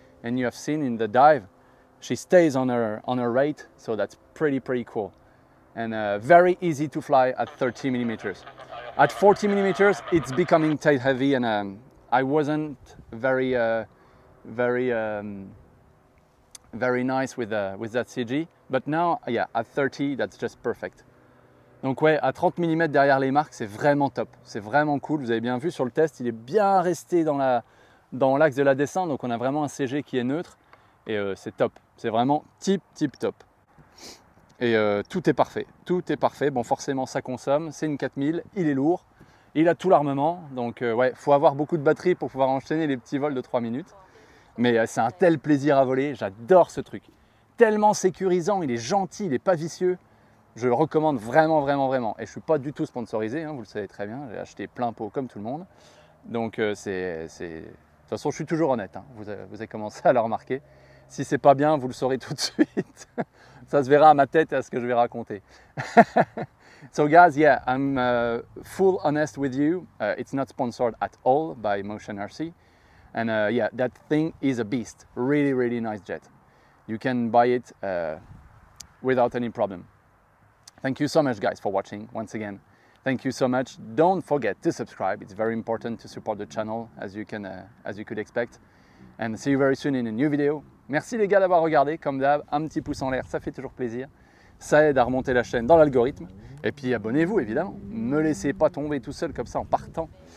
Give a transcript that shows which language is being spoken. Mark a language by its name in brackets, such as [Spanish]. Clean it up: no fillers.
[English] And you have seen in the dive, she stays on her rate, so that's pretty, pretty cool. And very easy to fly at 30 millimeters. At 40 millimeters, it's becoming tight heavy, and I wasn't very nice with that CG. But now, yeah, at 30, that's just perfect. [French] Donc ouais, à 30 mm derrière les marques, c'est vraiment top. C'est vraiment cool. Vous avez bien vu sur le test, il est bien resté dans l'axe de la descente. Donc on a vraiment un CG qui est neutre. Et c'est top. C'est vraiment tip, tip, top. Et tout est parfait. Tout est parfait. Bon, forcément, ça consomme. C'est une 4000. Il est lourd. Il a tout l'armement. Donc ouais, faut avoir beaucoup de batterie pour pouvoir enchaîner les petits vols de 3 minutes. Mais c'est un tel plaisir à voler. J'adore ce truc. Tellement sécurisant, il est gentil, il n'est pas vicieux. Je le recommande vraiment, vraiment, vraiment. Et je ne suis pas du tout sponsorisé, hein, vous le savez très bien. J'ai acheté plein pot comme tout le monde. Donc, c'est... De toute façon, je suis toujours honnête. Hein. Vous avez commencé à le remarquer. Si ce n'est pas bien, vous le saurez tout de suite. Ça se verra à ma tête et à ce que je vais raconter. [English] So guys, yeah, I'm full honest with you. It's not sponsored at all by Motion RC. And yeah, that thing is a beast. Really, really nice jet. You can buy it without any problem. Thank you so much, guys, for watching once again. Thank you so much. Don't forget to subscribe. It's very important to support the channel, as you can, as you could expect. And see you very soon in a new video. [French] Merci les gars d'avoir regardé. Comme d'hab, un petit pouce en l'air, ça fait toujours plaisir. Ça aide à remonter la chaîne dans l'algorithme. Et puis abonnez-vous, évidemment. Me laissez pas tomber tout seul comme ça en partant.